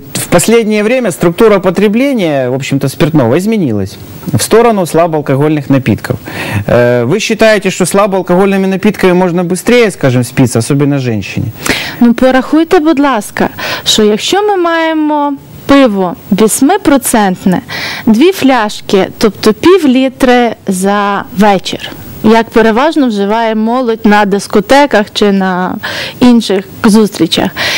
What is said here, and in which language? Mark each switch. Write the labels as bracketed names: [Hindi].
[Ukrainian] В останнє час структура потреблення, [Russian] в общем-то, [Ukrainian] спиртного змінилась в сторону слабоалкогольних напитків. [Russian] Вы считаете, что слабоалкогольными напитками можно быстрее, скажем, спиться, особенно женщине? [Ukrainian] Ну, порахуйте, будь ласка, що якщо ми маємо пиво 8-процентне, дві фляшки, тобто пів літри за вечір, як переважно вживає молодь на дискотеках чи на інших зустрічах.